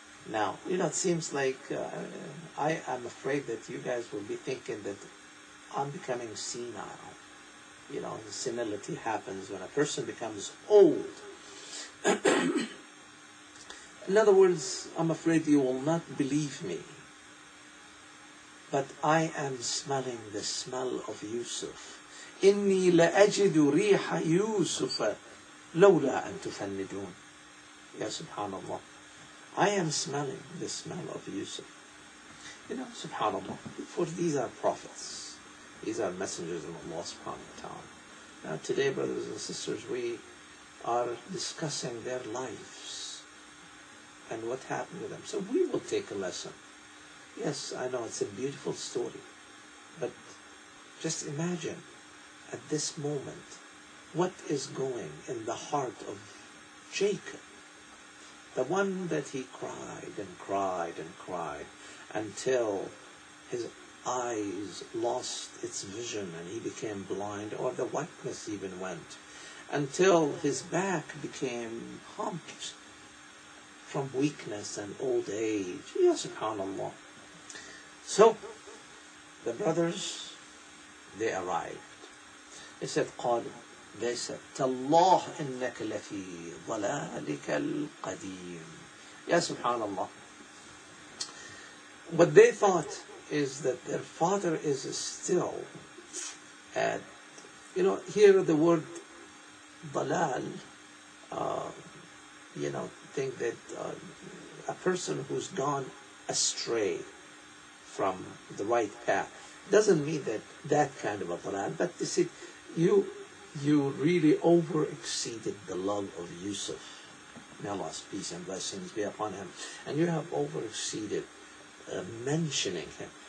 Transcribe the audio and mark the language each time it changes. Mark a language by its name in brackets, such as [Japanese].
[English] Now, you know, it seems like I am afraid that you guys will be thinking that I'm becoming senile. You know, the senility happens when a person becomes old. In other words, I'm afraid you will not believe me. But I am smelling the smell of Yusuf. [Arabic] إِنِّي لَأَجِدُ رِيحَ يُوسُفَ لَوْلَا أَن تُفَنِّدُونَ. Ya subhanAllah. [English] I am smelling the smell of Yusuf. You know, subhanAllah, for these are prophets. These are messengers of Allah subhanahu wa ta'ala. Now today, brothers and sisters, we are discussing their lives and what happened to them. So we will take a lesson. Yes, I know it's a beautiful story. But just imagine at this moment what is going in the heart of Jacob. The one that he cried and cried and cried until his eyes lost its vision and he became blind, or the whiteness even went, until his back became humped from weakness and old age. Ya subhanAllah. So the brothers, they arrived. They said, [Arabic] قال, [English] they said, [Arabic] تالله إنك لفي ضلالك القديم. Ya subhanAllah. [English] What they thought is that their father is still at, you know, here the word dalal, you know, think that a person who's gone astray from the right path doesn't mean that kind of a dalal, but you see, you really over exceeded the love of Yusuf, may Allah's peace and blessings be upon him, and you have over exceeded mentioning him.